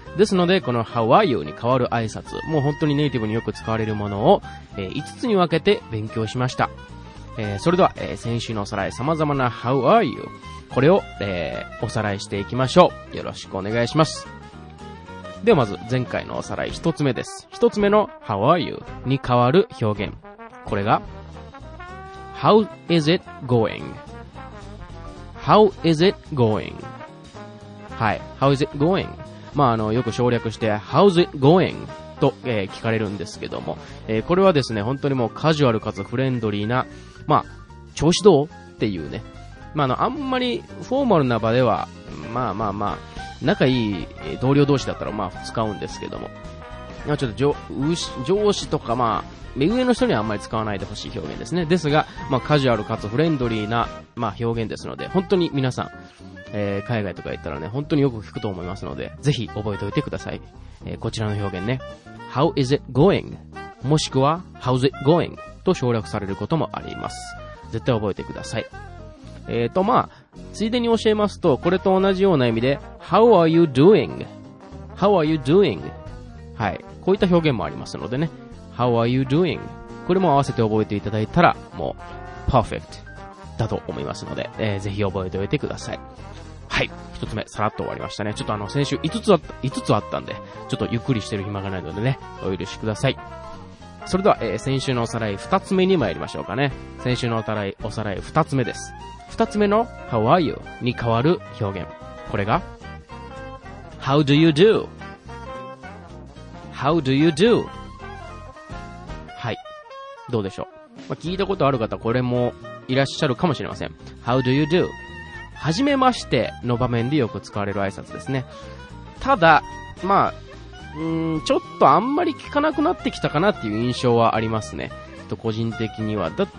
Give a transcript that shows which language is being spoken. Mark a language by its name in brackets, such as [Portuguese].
[Japanese] ですので、この [English] How are you [Japanese] に代わる挨拶、もう本当にネイティブによく使われるものを、5つに分けて勉強しました。それでは、先週のおさらい、様々な [English] How are you、 [Japanese] これを、おさらいしていきましょう。よろしくお願いします。ではまず前回のおさらい、1つ目です。 1つ目の How are you に代わる表現、これが [English] How is it going? How is it going? [Japanese] はい、 [English] How is it going? [Japanese] まあ、よく省略して、 [English] How's it going? [Japanese] と、聞かれるんですけども、これはですね、本当にもうカジュアルかつフレンドリーな、まあ、調子どうっていうね。まあ、あんまりフォーマルな場では、まあまあまあ、仲いい同僚同士だったら、まあ、使うんですけども。まあ、ちょっと上司とか、まあ、目上の人にはあんまり使わないでほしい表現ですね。ですが、まあ、カジュアルかつフレンドリーな、まあ、表現ですので、本当に皆さん、海外とか行ったらね、本当によく聞くと思いますので、ぜひ覚えておいてください。こちらの表現ね、 [English] How is it going? [Japanese] もしくは [English] How's it going? [Japanese] と省略されることもあります。絶対覚えてください。まあ、ついでに教えますと、これと同じような意味で、 [English] How are you doing? How are you doing? [Japanese] はい、こういった表現もありますのでね、 [English] How are you doing? [Japanese] これも合わせて覚えていただいたら、もう、Perfect だと思いますので、ぜひ覚えておいてください。はい、一つ目さらっと終わりましたね。ちょっと先週5つあったんで、ちょっとゆっくりしてる暇がないのでね、お許しください。それでは、先週のおさらい二つ目に参りましょうかね。先週のおさらい二つ目です。二つ目の [English] How are you [Japanese] に代わる表現、これが [English] How do you do? How do you do? [Japanese] はい、どうでしょう、まあ、聞いたことある方これもいらっしゃるかもしれません。 [English] How do you do? [Japanese] はじめましての場面でよく使われる挨拶ですね。ただ、まあ、ちょっとあんまり聞かなくなってきたかなっていう印象はありますね。個人的には。